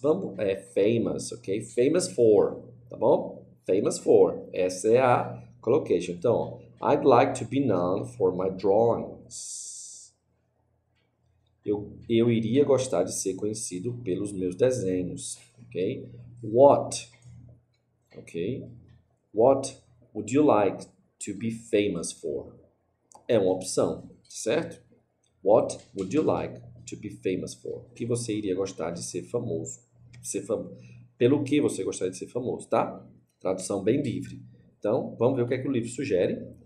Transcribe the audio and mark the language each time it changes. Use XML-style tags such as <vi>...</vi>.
<pt>Vamos. É</pt> <en>famous, ok? Famous for,</en> <pt>tá bom?</pt> <en>Famous for.</en> <pt>Essa é a collocation. Então,</pt> <en>I'd like to be known for my drawings.</en> <pt>Eu iria gostar de ser conhecido pelos meus desenhos, ok?</pt> <en>What? Ok? What would you like to be famous for?</en> <pt>É uma opção, certo?</pt> <en>What would you like to be famous for?</en> <pt>O que você iria gostar de ser famoso? Pelo que você gostaria de ser famoso, tá? Tradução bem livre. Então, vamos ver o que é que o livro sugere.</pt>